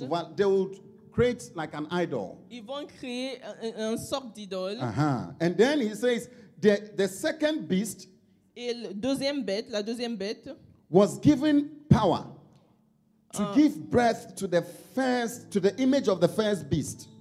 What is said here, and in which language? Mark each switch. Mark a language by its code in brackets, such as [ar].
[en] Well, they will create like an idol. [fr] Ils vont créer un sorte d'idole. Uh-huh. [en] And then he says the second beast. [fr] Et deuxième bête, la deuxième bête. [en] Was given power to give breath to the first, to the image of the first beast.